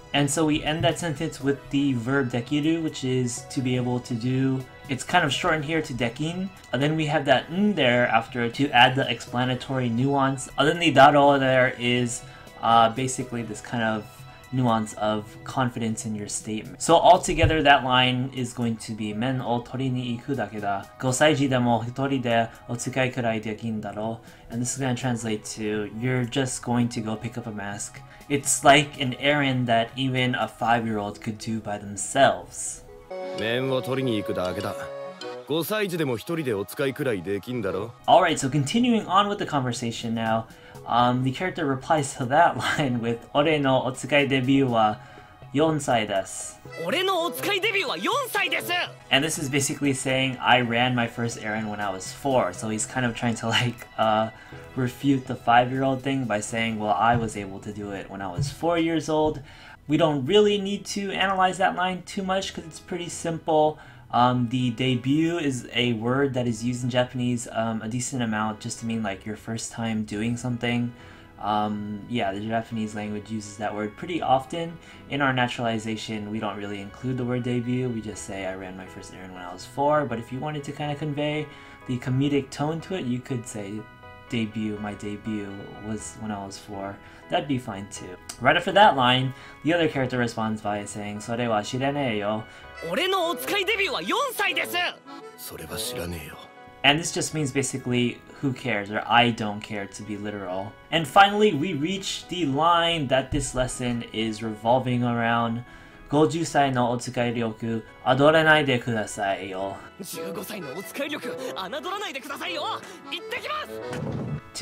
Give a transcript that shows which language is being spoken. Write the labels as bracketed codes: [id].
[en] And so we end that sentence with the verb dekiru, which is to be able to do. It's kind of shortened here to dekin. And then we have that n there after to add the explanatory nuance. Other than the daro there is basically this kind of nuance of confidence in your statement. So altogether, that line is going to be [ja] 面を取りに行くだけだ。五歳児でも一人でお使いくらいできんだろう。 [en] And this is going to translate to, you're just going to go pick up a mask. It's like an errand that even a 5-year-old could do by themselves. [ja] 面を取りに行くだけだ。五歳児でも一人でお使いくらいできんだろう。 [en] Alright, so continuing on with the conversation now, the character replies to that line with [ja] 俺のお使いデビューは四歳です。俺のお使いデビューは四歳です。 [en] And this is basically saying, I ran my first errand when I was 4. So he's kind of trying to like, refute the 5-year-old thing by saying, well, I was able to do it when I was 4 years old. We don't really need to analyze that line too much because it's pretty simple. The debut is a word that is used in Japanese a decent amount just to mean like your first time doing something. Yeah, the Japanese language uses that word pretty often. In our naturalization, we don't really include the word debut. We just say I ran my first errand when I was four. But if you wanted to kind of convey the comedic tone to it, you could say debut, my debut was when I was four. That'd be fine too. Right after that line, the other character responds by saying [ja] それは知らねえよ。俺のお使いデビューは四歳です。それは知らねえよ。 [en] And this just means basically, who cares, or I don't care, to be literal. And finally, we reach the line that this lesson is revolving around. [ja] 50歳のお使い力、adoranaide kudasai yo. 15歳のお使い力、adoranaide kudasai yo. 行ってきます!